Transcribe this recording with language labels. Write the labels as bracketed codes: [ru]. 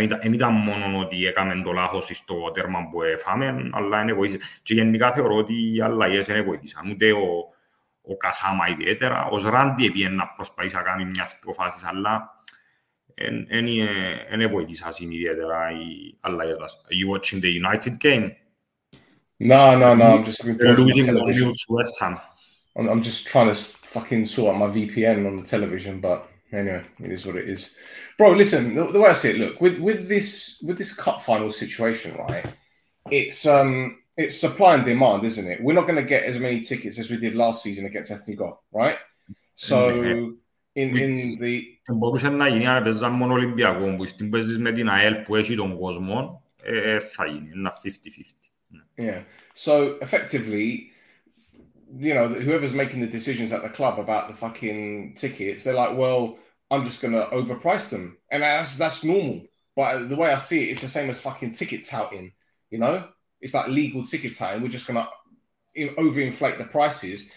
[el] Δεν ήταν μόνο ότι έκαμε το λάθος στο τέρμα που έφαμε, αλλά εγωίζεν. Και γενικά θεωρώ ότι οι αλλαγές δεν εγωίζαν. Ούτε ο Κασάμα ιδιαίτερα. Ο Σράντι επίεν να προσπαθήσει να κάνει μια φάση, αλλά δεν εγωίζαν ιδιαίτερα οι αλλαγές. [en] Are you watching the United game? No. I'm just losing the field to West Ham. I'm just trying to fucking sort out my VPN on the television, but... Anyway, it is what it is, bro. Listen, the way I see it, look with this cup final situation, right? It's supply and demand, isn't it? We're not going to get as many tickets as we did last season against Ethnico, right? So in the. [el] Μπορούσε να γίνει αν παίζαμε μόνο Ολυμπιακό, που στην παίζεις με την ΑΕΛ που έχει τον κόσμο, θα γίνει ένα 50-50. [en] Yeah. So effectively. You know, whoever's making the decisions at the club about the fucking tickets, they're like, well, I'm just going to overprice them. And that's normal. But the way I see it, it's the same as fucking ticket touting, you know? It's like legal ticket touting. We're just going to overinflate the prices.